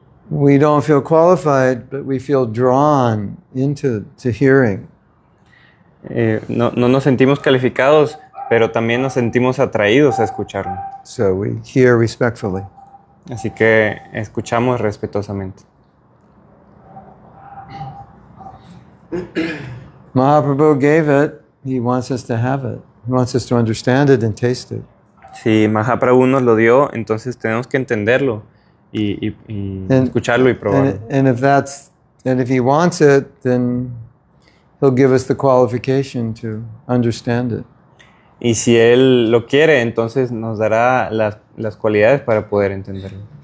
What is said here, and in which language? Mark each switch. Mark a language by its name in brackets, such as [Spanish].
[English] We don't feel qualified, but we feel drawn into to hearing. [Spanish] No nos sentimos calificados, pero también nos sentimos atraídos a escucharlo. [English] So we hear respectfully. [Spanish] Así que escuchamos respetuosamente. [English] Mahaprabhu gave it. He wants us to have it. He wants us to understand it and taste it. [Spanish] Si Mahaprabhu nos lo dio, entonces tenemos que entenderlo y escucharlo y probarlo. [English] And if he wants it, then he'll give us the qualification to understand it. [Spanish] Y si él lo quiere, entonces nos dará las cualidades para poder entenderlo.